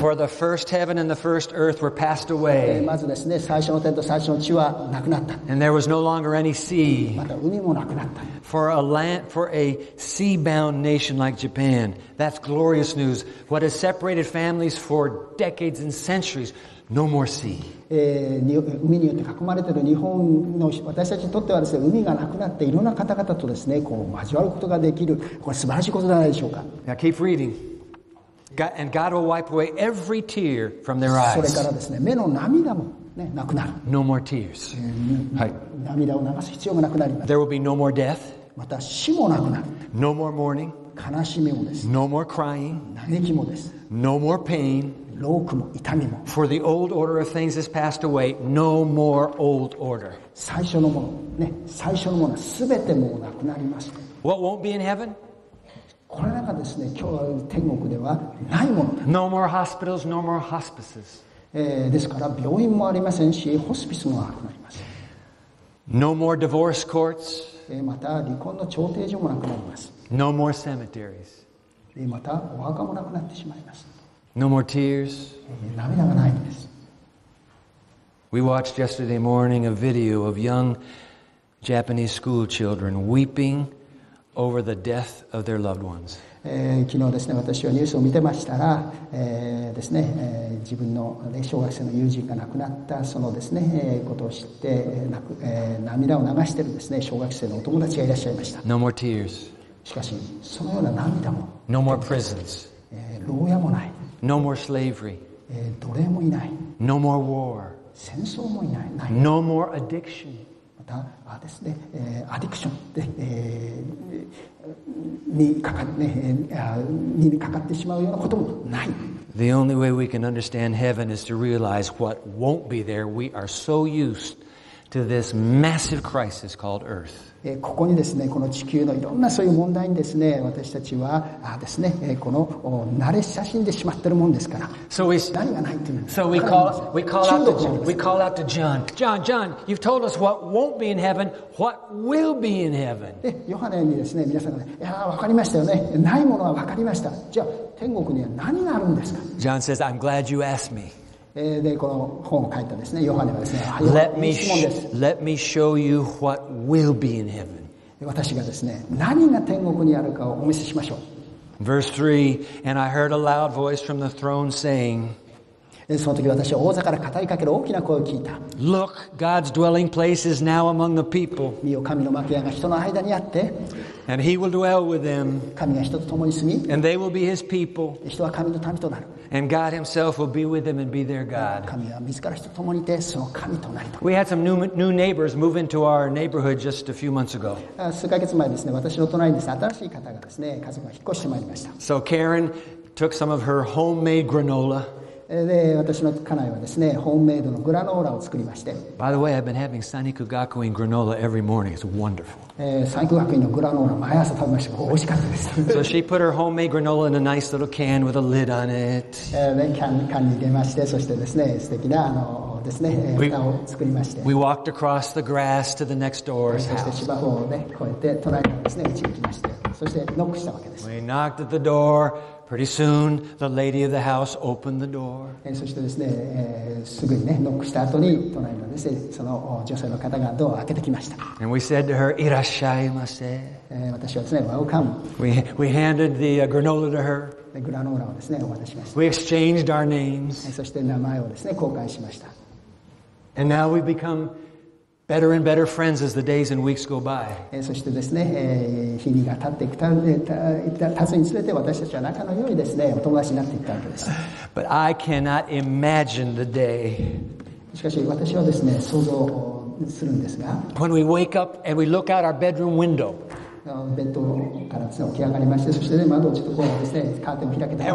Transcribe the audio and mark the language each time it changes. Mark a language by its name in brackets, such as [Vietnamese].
[English] For the first heaven and the first earth were passed away. [Japanese] まずですね、最初の天と最初の地はなくなった。 [English] And there was no longer any sea. [Japanese] また海もなくなった。 [English] For a sea-bound nation like Japan, that's glorious news. What has separated families for decades and centuries, no more sea. [Japanese] 海によって囲まれている日本の私たちにとってはですね、海がなくなっていろんな方々とですね、こう交わることができる、これ素晴らしいことじゃないでしょうか。 [English] Now keep reading. And God will wipe away every tear from their eyes. [Japanese] それからですね、目の涙も、ね、なくなる。 [English] No more tears. [Japanese] 涙を流す必要もなくなります。 [English] There will be no more death. [Japanese] また死もなくなる。 [English] No more mourning. [Japanese] 悲しみもです。 [English] No more crying. [Japanese] 嘆きもです。 [English] No more pain. [Japanese] 老苦も痛みも。 [English] For the old order of things has passed away, no more old order. [Japanese] 最初のもの、ね、最初のものすべてもうなくなります。 [English] What won't be in heaven? [Japanese] これらがですね、今日天国ではないものだ。 [English] No more hospitals, no more hospices. [Japanese] ですから病院もありませんし、ホスピスもなくなります。 [English] No more divorce courts. [Japanese] また離婚の調停所もなくなります。 [English] No more cemeteries. [Japanese] またお墓もなくなってしまいます。 [English] No more tears. [Japanese] 涙がないんです。 [English] We watched yesterday morning a video of young Japanese school children weeping over the death of their loved ones. [Japanese] 昨日ですね、私はニュースを見てましたら、ですね、自分の、ね、小学生の友人が亡くなったそのですね、ことを知って、涙を流しているですね、小学生のお友達がいらっしゃいました。 [English] No more tears. [Japanese] しかし、そのような涙も。 [English] No more prisons. [Japanese] 牢屋もない。 [English] No more slavery. [Japanese] 奴隷もいない。 [English] No more war. [Japanese] 戦争もいない。ない。 [English] No more addiction. [Japanese] また、あですね、アディクションで、にかかね、にかかってしまうようなこともない。 [English] The only way we can understand heaven is to realize what won't be there. We are so used to this massive crisis called earth. [Japanese] ここにですね、この地球のいろんなそういう問題にですね、私たちはですね、この慣れ親しんでしまってるもんですから。 [English] So we, [Japanese] 何がないというんです。 [English] So we call out to John. John, John, you've told us what won't be in heaven. What will be in heaven? [Japanese] で、ヨハネにですね、皆さんがね、いやわかりましたよね。ないものはわかりました。じゃあ天国には何があるんですか。 [English] John says, I'm glad you asked me. [Japanese] でこの本を書いたですね、ヨハネはですね、 [English] Let me show you what will be in heaven. [Japanese] 私がですね、何が天国にあるかをお見せしましょう。 [English] Verse 3, and I heard a loud voice from the throne saying, [Japanese] その時私は王座から語りかける大きな声を聞いた。 [English] Look, God's dwelling place is now among the people. [Japanese] 見よ、神の幕屋が人の間にあって。 [English] And he will dwell with them. [Japanese] 神が人と共に住み。 [English] And they will be his people. [Japanese] 人は神の民となる。 [English] And God himself will be with them and be their God. [Japanese] 神は自ら人と共にいて、その神となると。 [English] We had some new neighbors move into our neighborhood just a few months ago. [Japanese] 数ヶ月前ですね、私の隣にですね、新しい方がですね、家族が引っ越してまいりました。 [English] So Karen took some of her homemade granola. [Japanese] で私の家内はですね、ホームメイドのグラノーラを作りまして。 [English] By the way, I've been having Saniku Gakuin granola every morning. It's wonderful. [Japanese] Saniku Gakuin のグラノーラ毎朝食べました。美味しかったです。 [English] So she put her homemade granola in a nice little can with a lid on it. [Japanese] can に入れまして、そしてですね、素敵なですね、蓋を作りまして。 [English] We walked across the grass to the next door. [Japanese] そして芝生をね、越えて隣のですね、家に行きまして、そしてノックしたわけです。 [English] We knocked at the door. Pretty soon, the lady of the house opened the door. [Japanese] そしてですね、すぐにね、ノックした後に隣のですね、その女性の方がドアを開けてきました。 [English] And we said to her, [Japanese] いらっしゃいませ。私はですね、 [English] welcome. We handed the granola to her. [Japanese] で、グラノーラをですね、お渡ししました。 [English] We exchanged our names. [Japanese] そして名前をですね、交換しました。 [English] And now we've become better and better friends as the days and weeks go by. [Japanese] そしてですね、日々が経っていくたずにつれて私たちは仲のようにですね、お友達になっていったわけです。 [English] But I cannot imagine the day. [Japanese] しかし私はですね、想像するんですが、 [English] when we wake up and we look out our bedroom window. [Japanese] ベッドからですね、起き上がりまして、そして、ね、窓をちょっとこうですね、カーテンを開けた。